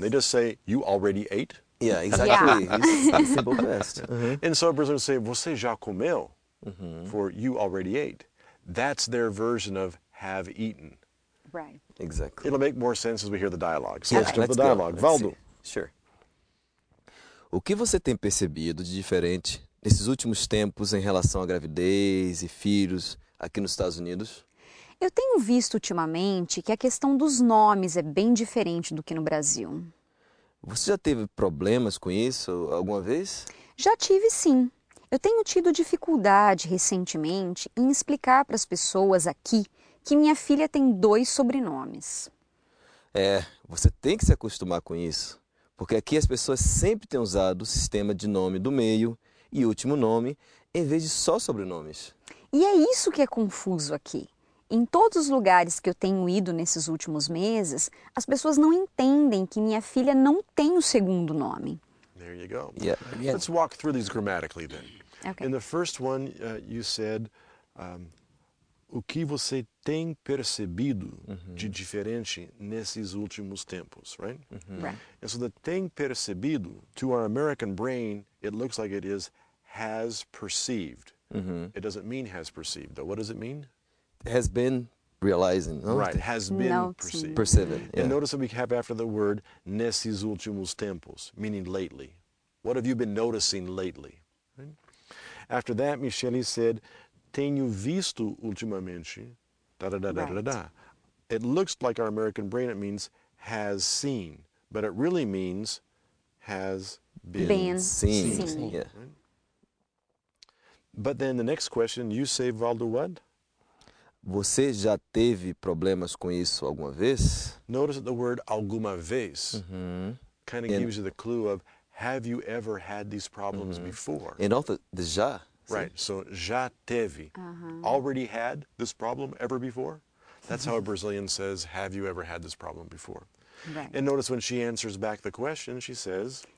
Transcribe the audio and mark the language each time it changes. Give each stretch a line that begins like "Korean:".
English: They just say you already ate. Yeah, exactly. Yeah. Simple best. Mm-hmm. And so Brazilians say,
Portuguese: você já comeu,
English: for you already ate. That's their version of have eaten. Right. Exactly. It'll make more sense as we hear the dialogue. So let's do the dialogue. Valdo. Sure.
Portuguese: O que você tem percebido de diferente nesses últimos tempos em relação à gravidez e filhos aqui nos Estados Unidos? Eu tenho visto ultimamente que a questão dos nomes é bem diferente do que no Brasil. Você já teve problemas com isso alguma vez? Já tive, sim. Eu tenho tido dificuldade recentemente em explicar para as pessoas aqui que minha filha tem dois sobrenomes. É, você tem que se acostumar com isso, porque aqui as pessoas sempre têm usado o sistema de nome do meio e último nome em vez de só sobrenomes. E é isso que é confuso aqui. Em todos os lugares que eu tenho ido nesses últimos meses, as pessoas não entendem que minha filha não tem o segundo nome.
English: There you go. Yeah. Yeah. Let's walk through these grammatically then. Okay. In the first one, you said,
Portuguese: o que você tem percebido de diferente nesses últimos tempos, right?
English: Right. And so the
Portuguese: tem percebido,
English: to our American brain, it looks like it is has perceived. Mm-hmm. It doesn't mean has perceived, though. What does it mean? Has been realizing. No? Right, has been perceived. Perceived, yeah. And notice that we have after the word
Portuguese: nesses últimos tempos,
English: meaning lately. What have you been noticing lately? Right. After that, Michele said,
Portuguese: tenho visto ultimamente,
English: da-da-da-da-da-da-da. Right. It looks like our American brain, it means has seen, but it really means has been seen. Yeah. But then the next question, you say, Valdo, what?
Portuguese: Você já teve problemas com isso alguma vez?
English: Notice that the word
Portuguese: alguma vez
English: kind of gives you the clue of have you ever had these problems before? And also the já. Right, so
Portuguese: já teve.
English: Already had this problem ever before? That's how a Brazilian says, have you ever had this problem before? Right. And notice when she answers back the question, she says,